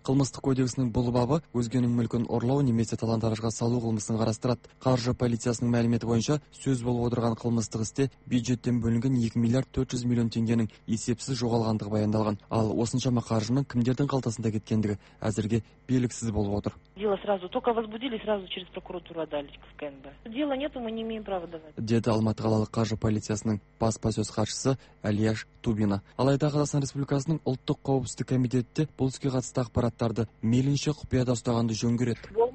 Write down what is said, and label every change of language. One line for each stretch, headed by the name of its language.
Kazakh: Қылмыстық кодексінің бұл бабы өзгенің мүлкін ұрлау немесе талан-таражға салу қылмысын қарастырады. Қаржы полициясының мәліметі бойынша сөз болып отырған қылмыстық істе бюджеттен бөлінген 2 миллиард 400 миллион теңгенің есепсіз жоғалғандығы баяндалған. Ал осыншама қаржының кімдердің қалтасында кеткендігі әзірге белгісіз болып отыр.
Russian: Дело сразу только возбудили, сразу через прокуратуру отдали в КНБ. Дела нету, мы не имеем права давать.
Kazakh: Деді Алматы қалалық қаржы полициясының баспасөз хатшысы Әлияш Тубина. Алайда Қазақстан Республикасының ұлттық қауіпсіздік комитеті бұл іске қатысты ақпараттарды мейлінше құпияда ұстағанды жөн көреді.